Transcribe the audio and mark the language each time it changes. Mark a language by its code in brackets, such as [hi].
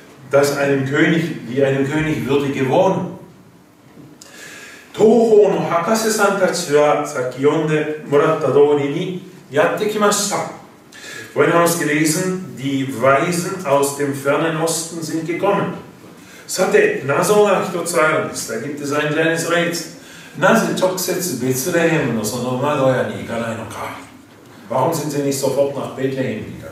[de] Das einem König, wie einem König würdige Wohnung. [ja] 東方の博士さんたちはさっき読んでもらった通りにやってきました。 [de] Vorhin haben wir gelesen, die Weisen aus dem fernen Osten sind gekommen. [ja] さて、謎が一つあるんです。 [de] Da gibt es ein kleines Rätsel. [ja] なぜ直接ベツレヘムのその馬小屋に行かないのか。 [de] Warum sind sie nicht sofort nach Bethlehem gegangen?